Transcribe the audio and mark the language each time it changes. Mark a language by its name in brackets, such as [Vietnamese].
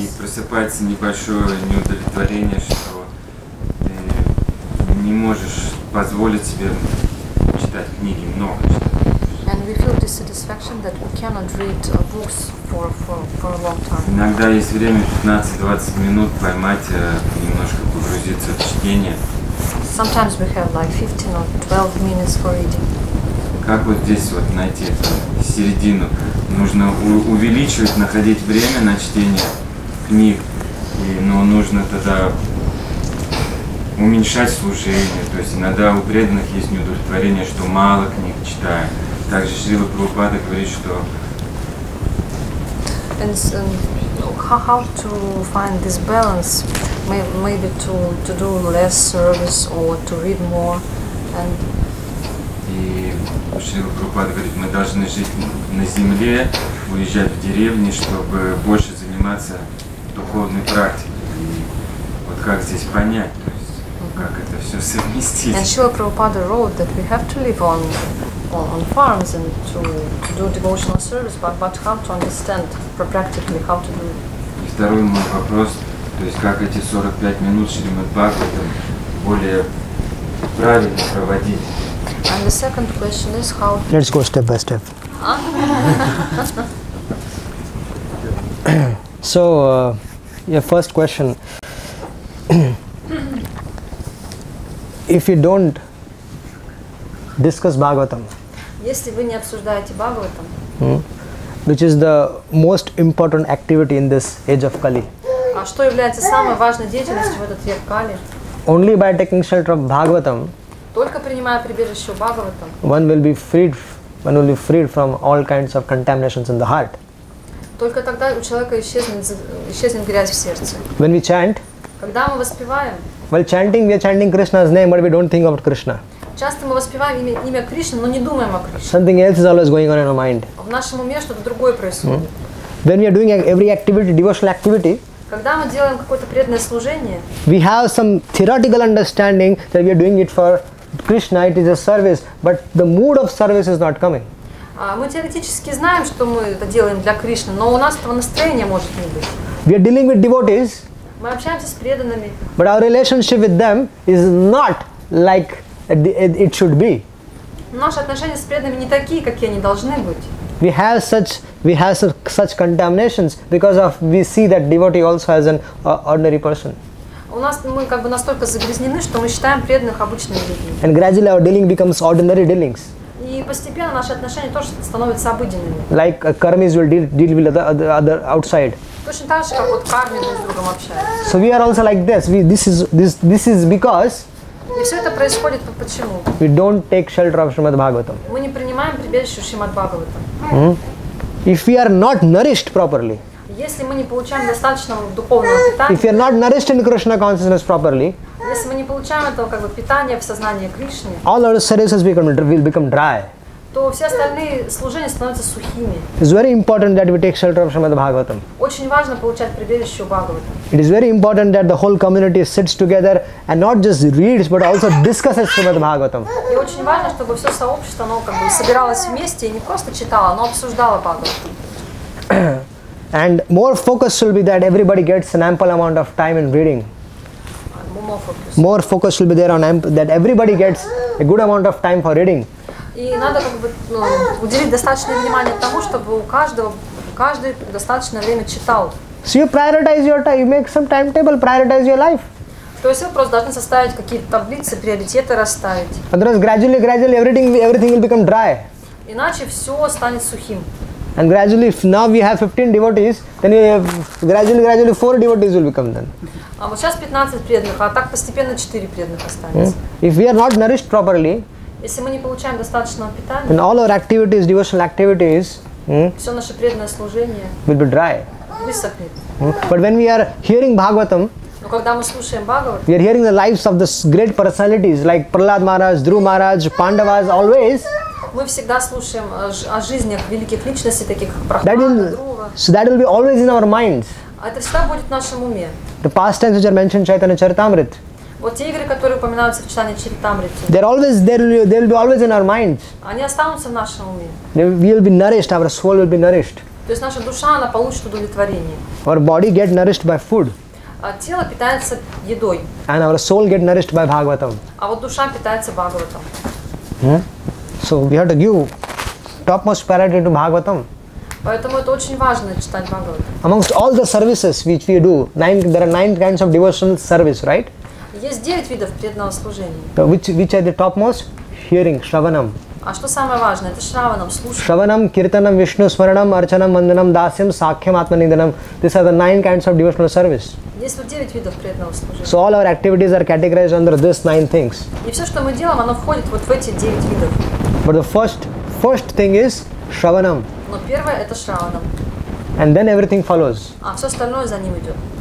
[Russian] И просыпается небольшое неудовлетворение, что ты не можешь позволить себе читать книги много. [English] And we feel dissatisfaction that we cannot read books for a long time. [Russian] Иногда есть время 15-20 минут поймать немножко погрузиться в чтение. [English] Sometimes we have like 15 or 12 minutes for reading. [Russian] Как вот здесь вот найти середину? Нужно увеличивать, находить время на чтение книг, но нужно тогда уменьшать служение. То есть иногда у преданных есть неудовлетворение, что мало книг читаем. Также Шрила Прабхупада говорит, что [English] how to find this balance? Maybe to do less service or to read more. And [Russian] и Шрила Прабхупада говорит, мы должны жить на земле, уезжать в деревни, чтобы больше заниматься духовной практикой. И вот как здесь понять, то есть как это все совместить? [English] And Шрила Прабхупада wrote that we have to live on farms and to do devotional service, but how to understand practically how to do it. [Russian] Второй мой вопрос, то есть как эти 45 минут Шримад Бхагаватам более правильно проводить. [English] And the second question is how. Let's go step by step. So, your first question. If you don't discuss Bhagavatam. [Russian] Если вы не обсуждаете Бхагаватам. [English] Which is the most important activity in this age of Kali. [Russian] А что является самой важной деятельностью в этот век Кали? [English] Only by taking shelter of Bhagavatam. [Russian] Только принимая прибежище в Бхагаватам. [English] One will be freed. One will be freed from all kinds of contaminations in the heart. [Russian] Только тогда у человека исчезнет грязь в сердце. [English] When we chant. [Russian] Когда мы воспеваем. [English] While chanting, we are chanting Krishna's name, but we don't think about Krishna. [Russian] Часто мы воспеваем имя Кришны, но не думаем о Кришне. [English] Something else is always going on in our mind. [Russian] В нашем уме что-то другое происходит. [English] When we are doing every activity, devotional activity, [Russian] когда мы делаем какое-то преданное служение, [English] we have some theoretical understanding that we are doing it for Krishna, it is a service, but the mood of service is not coming. [Russian] Мы теоретически знаем, что мы это делаем для Кришны, но у нас этого настроения может не быть. [English] We are dealing with devotees, [Russian] мы общаемся с преданными, [English] but our relationship with them is not like it should be. [Russian] Наши отношения с преданными не такие, какие они должны быть. [English] We have such contaminations because of we see that devotee also as an ordinary person. [Russian] У нас мы как бы настолько загрязнены, что мы считаем преданных обычными людьми. [English] And gradually our dealing becomes ordinary dealings. [Russian] И постепенно наши отношения тоже становятся обыденными. [English] Like karmis will deal with other outside. [Russian] Точно так же, как вот карми друг с другом общаются. [English] So we are also like this. This is because. [Russian] И все это происходит почему? [English] We don't take shelter of Srimad Bhagavatam. [Russian] Мы не принимаем прибежище в Шримад Бхагаватам. [English] If we are not nourished properly. [Russian] Если мы не получаем достаточного духовного питания. [English] If we are not nourished in Krishna consciousness properly. [Russian] Если мы не получаем этого как бы питания в сознании Кришны. [English] All our services will become dry. [Russian] То все остальные служения становятся сухими. [English] It is very important that we take shelter of Srimad Bhagavatam. [Russian] Очень важно получать прибежище у Бхагаватам. [English] It is very important that the whole community sits together and not just reads but also discusses Srimad Bhagavatam. [Russian] И очень важно, чтобы все сообщество, оно как бы собиралось вместе и не просто читало, но обсуждало Бхагаватам. [English] And more focus will be that everybody gets an ample amount of time in reading. More focus will be there on that everybody gets a good amount of time for reading. [Russian] И надо как бы уделить достаточное внимание тому, чтобы каждый достаточно время читал. [English] So you prioritize your time, you make some timetable, prioritize your life. [Russian] То есть вы просто должны составить какие-то таблицы, приоритеты расставить. [English] Otherwise, gradually everything will become dry. [Russian] Иначе все станет сухим. [English] And gradually, if now we have 15 devotees, then we have gradually 4 devotees will become then. [Russian] А вот сейчас 15 преданных, а так постепенно 4 преданных останется. [English] If we are not nourished properly. [Russian] Если мы не получаем достаточного питания. [English] Then all our activities, devotional activities. [Russian] Все наше преданное служение. [English] Will be dry. [Russian] Высохнет. [English] But when we are hearing Bhagavatam. [Russian] Но когда мы слушаем Бхагаватам. [English] We are hearing the lives of the great personalities like Prahlad Maharaj, Dhruva Maharaj, Pandavas always. [Russian] Мы всегда слушаем о жизнях великих личностей, таких как Прахлада, Друва. [English] So that will be always in our minds. [Russian] Это всегда будет в нашем уме. [English] The past tense which are mentioned in Chaitanya Charitamrita. [Russian] Вот те игры, которые упоминаются в Чайтанья Чаритамрите. [English] They're always there. They'll be always in our minds. [Russian] Они останутся в нашем уме. [English] We will be nourished. Our soul will be nourished. [Russian] То есть наша душа, она получит удовлетворение. [English] Our body get nourished by food. [Russian] А тело питается едой. [English] And our soul get nourished by Bhagavatam. [Russian] А вот душа питается Бхагаватам. [English] So we have to give topmost priority to Bhagavatam. [Russian] Поэтому это очень важно читать Бхагавату. [English] Amongst all the services which we do, there are 9 kinds of devotional service, right? [Russian] Есть 9 видов преданного служения. [English] So which are the topmost? Hearing, Shravanam. [Russian] А что самое важное? Это Shravanam, слушать. [Sanskrit] Shravanam, Kirtanam, Vishnu, Smaranam, Archanam, Mandanam, Dasyam, Sakhyam, Atmanindanam. [English] These are the 9 kinds of devotional service. [Russian] Есть вот 9 видов преданного служения. [English] So all our activities are categorized under these 9 things. [Russian] И все, что мы делаем, оно входит вот в эти 9 видов. [English] But the first thing is Shravanam. [Russian] Но первое это Shravanam. [English] And then everything follows. [Russian] А все остальное за ним идет.